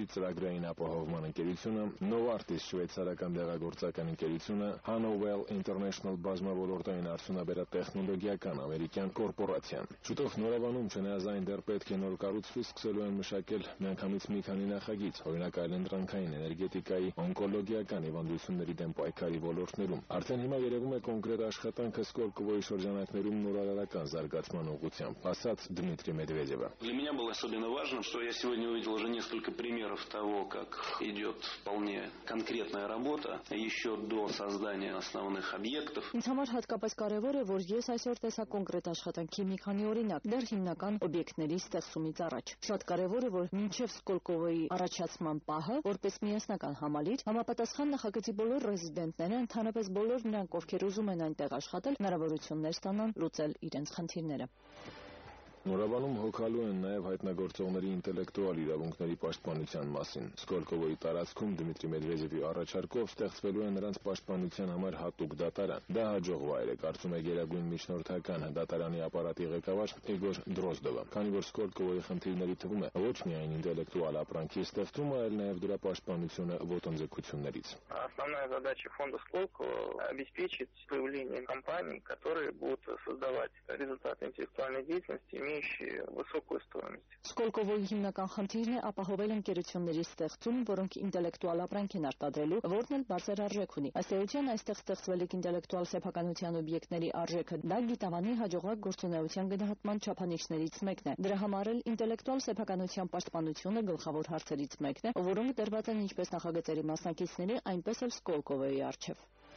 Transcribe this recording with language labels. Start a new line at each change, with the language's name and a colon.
Armenian: ծրագրային ապահովման ընկերությունը, Novartis շվեյցարական դեղագործական ընկերությունը, Hanowell International բազմավորորդային արդյունաբերատեխնոլոգիական ամերիկյան կորպորացիան։ Շուտով նորաբանում չնայազայն դեռ պետք է նոր կառուցվի, սկսելու են մշակել միանգամից մի քանի նախագիծ, օրինակ ընդրանքային էներգետիկայի, օնկոլոգիական հիվանդությունների դեմ պայքարի ոլորտներում։ Արդեն հիմա երևում է կոնկրետ աշխատանքը Սկորկովոյի շրջանակներում նորարարական զարգացման ուղղությամբ, ասաց Դմիտրի Մեդվեդևը։
Russian: Для меня было особенно важно, что я сегодня увидел уже несколько примеров того, как идёт вполне конкретная работа ещё до создания основных объектов.
Armenian: Ինձ համար հատկապես կարևոր է, որ ես այսօր տեսա կոնկրետ աշխատանքի մի քանի օրինակ դեռ հիմնական օբյեկտների ստեղծումից առաջ։ Շատ կարևոր է, որ մինչև Սկորկովոյի առաջացման ՊԱՀ-ը, որպես միասնական համալիր, համապատասխան նախագծի բոլոր ռեզիդենտները, ընդհանրապես բոլոր նրանք, ովքեր ուզում են այնտեղ աշխատել, հնարավորություններ ստանան լուծել իրենց խնդիրները։ Նորաբանում հոգալու են նաև հայտնագործողների ինտելեկտուալ իրավունքների պաշտպանության մասին։ Սկոլկովոյի տարածքում Դմիտրի Մեդվեդևի առաջարկով ստեղծվելու է նրանց պաշտպանության համար հատուկ դատարան։ Դա հաջող վայր է, կարծում է Գերագույն միջնորդական դատարանի ապարատի ղեկավար Իգոր Դրոզդովը, քանի որ Սկոլկովոյի խնդիրների թվում է ոչ միայն ինտելեկտուալ ապրանքի ստեղծումը, այլ նաև դրա պաշտպանությունը ոտնձգություններից։
Russian: Основная задача фонда Сколково – обеспечить появление компаний, которые будут создавать результаты интеллектуальной деятельности, имеющие высокую стоимость.
Armenian: Սկոլկովոյի հիմնական խնդիրն է ապահովել ընկերությունների ստեղծում, որոնք ինտելեկտուալ ապրանք են արտադրելու, որն էլ բարձր արժեք ունի։ Այս էության այստեղ ստեղծվելիք ինտելեկտուալ սեփականության օբյեկտների արժեքը դա գիտավանի հաջողակ գործունեության գնահատման չափանիշներից մեկն է։ Դրա համար էլ ինտելեկտուալ սեփականության պաշտպանությունը գլխավոր հարցերից մեկն է, որոնք դրված են ինչպես նախագծերի մասնակիցների, այնպես էլ Սկոլկովոյի առջև։